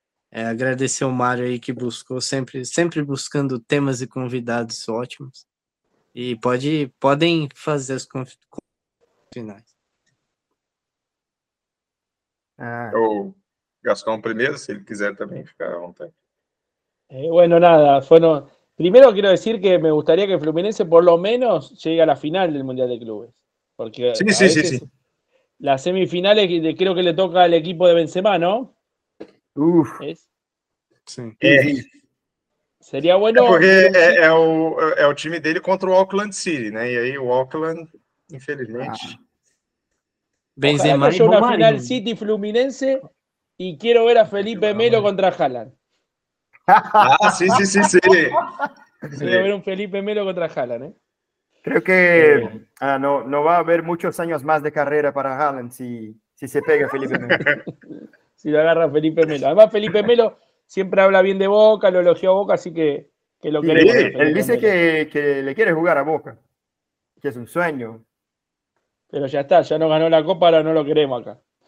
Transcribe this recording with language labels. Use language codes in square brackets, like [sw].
[pt] É, agradecer o Mário aí que buscou, sempre buscando temas e convidados ótimos. E podem fazer as finais. Ah. Ou Gastón primeiro, se ele quiser também ficar ontem. [es] Bueno, nada. Bueno, primeiro quiero decir que me gustaría que Fluminense por lo menos llegue a la final del Mundial de Clubes. Porque sí. Las semifinales creo que le toca al equipo de Benzema, ¿no? Uf. ¿Es? [pt] Sim. [es] É. Seria bueno. [pt] É porque é o time dele contra o Auckland City, né? E aí o Auckland, infelizmente. Benzema e Romário. Final City Fluminense e quero ver a Felipe Melo contra Haaland. Ah, sim. Quero ver um Felipe Melo contra Haaland, né? [es] Creo [pt] que não vai haver muitos anos mais de carreira para Haaland se se pega Felipe Melo. [es] Se lo agarra Felipe Melo. Además, Felipe Melo siempre habla bien de Boca, lo elogió a Boca, así que lo queremos. Sí, él dice que le quiere jugar a Boca, que es un sueño. Pero ya está, ya no ganó la Copa, ahora no lo queremos acá.